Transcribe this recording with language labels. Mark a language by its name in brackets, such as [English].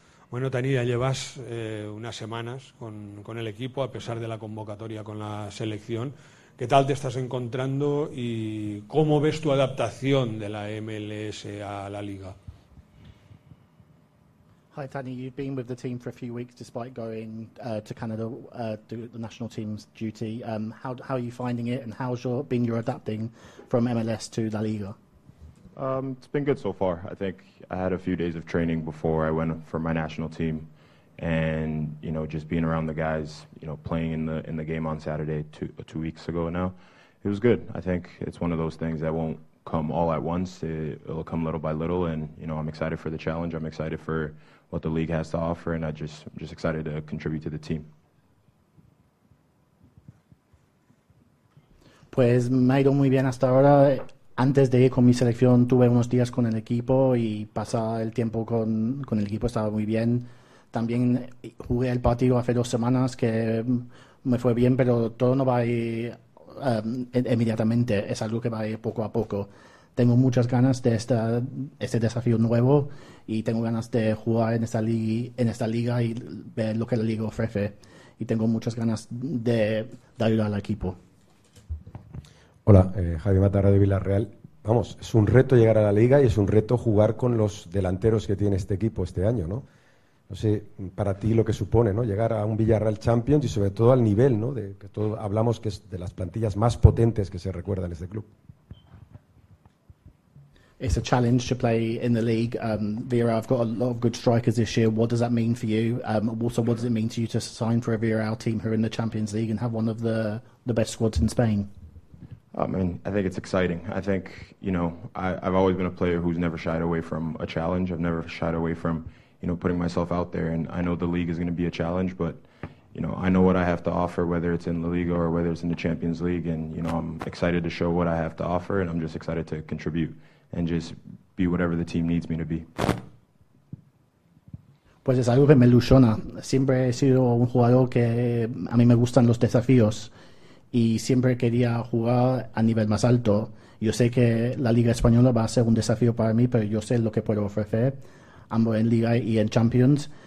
[Spanish] Bueno, Tani, ya llevas unas semanas con el equipo a pesar de la convocatoria con la selección. ¿Qué tal te estás encontrando y cómo ves tu adaptación de la MLS a la liga? [English] Hi Tani, you've been with the team for a few weeks despite going to Canada to the national team's duty. How are you finding it and how's been your adapting from MLS to La Liga? It's been good so far. I think I had a few days of training before I went for my national team. And, you know, just being around the guys, you know, playing in the game on Saturday two weeks ago now, it was good. I think it's one of those things that won't come all at once. It'll come little by little. And, you know, I'm excited for the challenge. I'm excited for what the league has to offer. And I'm just excited to contribute to the team. [Spanish] Pues me ha ido muy bien hasta ahora. Antes de ir con mi selección, tuve unos días con el equipo y pasar el tiempo con el equipo estaba muy bien. También jugué el partido hace dos semanas que me fue bien, pero todo no va a ir inmediatamente, es algo que va a ir poco a poco. Tengo muchas ganas de este desafío nuevo y tengo ganas de jugar en esta liga y ver lo que la liga ofrece. Y tengo muchas ganas de ayudar al equipo. Hola, Javi Matarra de Villarreal. Vamos, es un reto llegar a la liga y es un reto jugar con los delanteros que tiene este equipo este año, ¿no? No sé, para ti lo que supone, ¿no? Llegar a un Villarreal Champions y sobre todo al nivel, ¿no? De que todos hablamos que es de las plantillas más potentes que se recuerda en este club. [English] It's a challenge to play in the league. Vieira, I've got a lot of good strikers this year. What does that mean for you? Also, what does it mean to you to sign for a Villarreal team who are in the Champions League and have one of the best squads in Spain? I mean, I think it's exciting. I think, you know, I've always been a player who's never shied away from a challenge. I've never shied away from, you know, putting myself out there. And I know the league is going to be a challenge, but, you know, I know what I have to offer, whether it's in La Liga or whether it's in the Champions League. And, you know, I'm excited to show what I have to offer, and I'm just excited to contribute and just be whatever the team needs me to be. [Spanish] Pues es algo que me ilusiona. Siempre he sido un jugador que a mí me gustan los desafíos. Y siempre quería jugar a nivel más alto. Yo sé que la Liga Española va a ser un desafío para mí, pero yo sé lo que puedo ofrecer, ambos en Liga y en Champions.